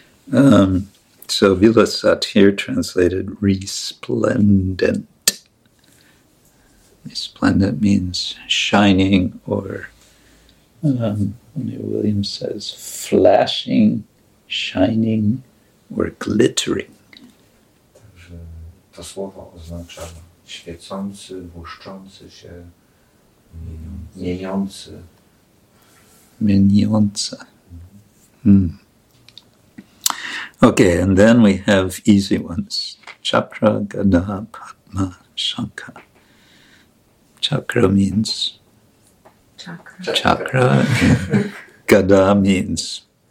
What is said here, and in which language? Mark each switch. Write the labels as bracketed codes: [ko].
[en] So vilasat here translated resplendent. Resplendent means shining, or Williams says flashing, shining, or glittering. [pl] Także to słowo oznacza świecący, błyszczący się, mieniący. Mieniące. [en] Okay, and then we have easy ones. Chakra, Gada, Padma, Shankha. Chakra means? Chakra. Chakra. Gada means?